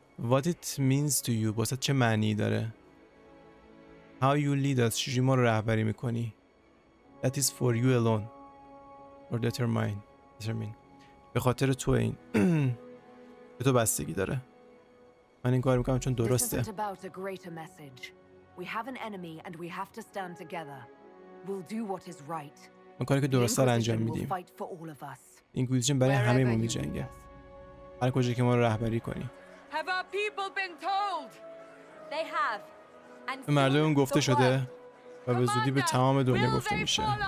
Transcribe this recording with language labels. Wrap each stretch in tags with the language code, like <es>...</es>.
<en>What it means to you،</en> <fa>واسه چه معنی داره؟</fa> <en>How you lead us,</en> <fa>چجوری ما رو رهبری میکنی.</fa> <en>That is for you alone. Or determine.</en> <fa>به خاطر تو این. به تو بستگی داره. من این کار میکنم چون درسته.</fa> <en>This isn't about a greater message. We have an enemy and we have to stand together. We'll do what is right.</en> <fa>ما کاری که درسته رو انجام میدیم. اینکویزیشن برای همه ما میجنگه. هر کجا که ما رو رهبری کنی.</fa> <en>Have our people been told? They have.</en> <fa>به مردم اون گفته شده و به زودی به تمام دنیا گفته میشه.</fa>